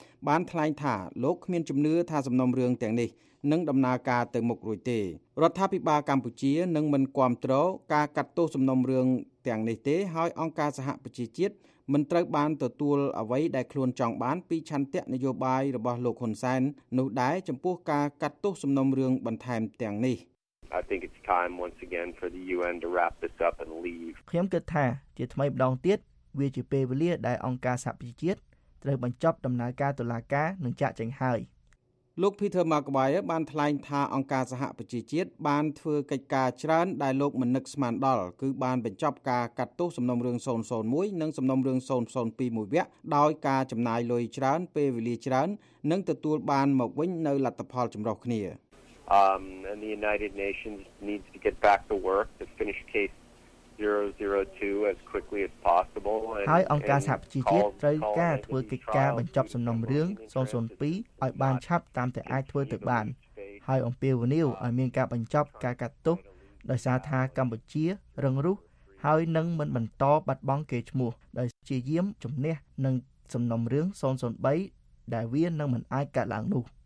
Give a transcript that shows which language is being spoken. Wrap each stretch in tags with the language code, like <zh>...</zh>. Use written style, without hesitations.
<km>បានថ្លែងថាលោកគ្មានជំនឿថាសំណុំរឿងទាំងនេះនឹងដំណើរការទៅមុខរួចទេរដ្ឋាភិបាលកម្ពុជានឹងមិនគាំទ្រការកាត់ទោសសំណុំរឿងទាំងនេះទេហើយអង្គការសហប្រជាជាតិមិនត្រូវបានទទួលអ្វីដែលខ្លួនចង់បានពីឆន្ទៈនយោបាយរបស់លោកហ៊ុនសែននោះដែរចំពោះការកាត់ទោសសំណុំរឿងបន្ថែមទាំងនេះ</km> <en>I think it's time once again for the UN to wrap this up and leave.</en> <km>ខ្ញុំគិតថាជាថ្មីម្ដងទៀតវាជាពេលវេលាដែលអង្គការសហប្រជាជាតិត្រូវបញ្ចប់ដំណើរការតុលាការនិងចាក់ចែងហើយ ។លោក Peter Maguire បានថ្លែងថាអង្គការសហប្រជាជាតិបានធ្វើកិច្ចការច្រើនដែលលោកមិននឹកស្មានដល់គឺបានបញ្ចប់ការកាត់ទោសសំណុំរឿង001និងសំណុំរឿង002មួយវគ្គដោយការចំណាយលុយច្រើនពេលវេលាច្រើននិងទទួលបានមកវិញនៅលទ្ធផលចម្រុះគ្នា។</km> <en>And the United Nations needs to get back to work to finish case 002 as quickly as possible.</en> <km>ហើយអង្គការសហប្រជាជាតិត្រូវការធ្វើកិច្ចការបញ្ចប់សំណុំរឿង002ឲ្យបានឆាប់តាមតែអាចធ្វើទៅបានហើយអំពាវនាវឲ្យមានការបញ្ចប់ការកាត់ទោសដោយសារថាកម្ពុជារងរោះហើយនឹងមិនបន្តបាត់បង់គេឈ្មោះដោយជាយាមជំនះនឹងសំណុំរឿង003ដែលវានឹងមិនអាចកើតឡើងនោះ</km>